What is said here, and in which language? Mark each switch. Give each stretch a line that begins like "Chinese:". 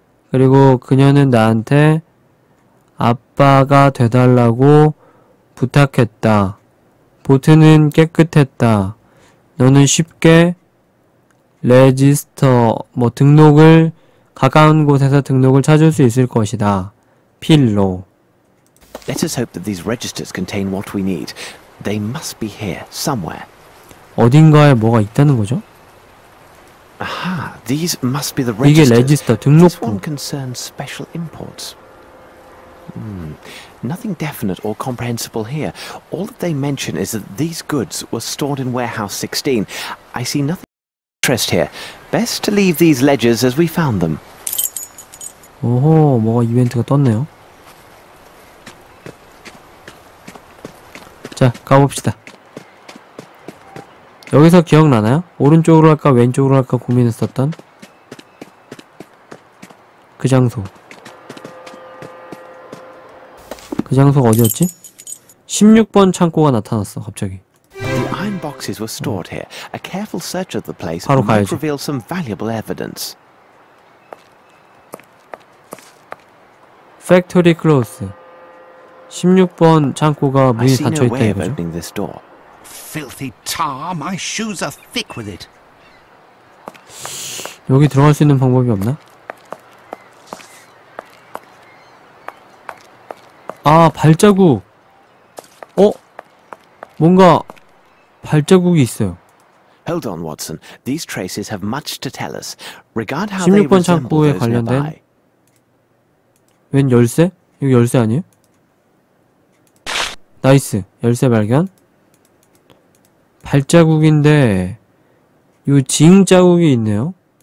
Korean: 그리고 그녀는 나한테 아빠가 돼달라고 부탁했다. 보트는 깨끗했다. 너는 쉽게 레지스터 뭐 등록을 가까운 곳에서 등록을 찾을 수 있을 것이다. 필로.
English: Let us hope that these registers contain what we need. They must be here somewhere.
Korean: 어딘가에 뭐가 있다는 거죠?
English: Aha, these must be the registers.
Korean: 이게 레지스터 등록부.
English: This one concerns special imports. Nothing definite or comprehensible here. All that they mention is that these goods were stored in warehouse 16. I see nothing of interest here. Best to leave these ledgers as we found them.
Korean: 오호, 뭐가 이벤트가 떴네요. 자, 가봅시다. 여기서 기억나나요? 오른쪽으로 할까 왼쪽으로 할까 고민했었던 그 장소. 그 장소가 어디였지? 16번 창고가 나타났어, 갑자기.
English: The iron boxes were stored here. A careful search of the place might reveal some valuable evidence. Factory close.
Korean: 16번 창고가 문이 닫혀 있다 이거죠?
English: Filthy tar, my shoes are thick with it.
Korean: 여기 들어갈 수 있는 방법이 없나? 아, 발자국. 어? 뭔가 발자국이 있어요.
English: Hold on, Watson. These traces have much to tell us. Regard how
Korean: 16번 창고에 관련된 웬 열쇠? 이거 열쇠 아니에요? 나이스. 열쇠 발견. 발자국인데 요 징 자국이 있네요.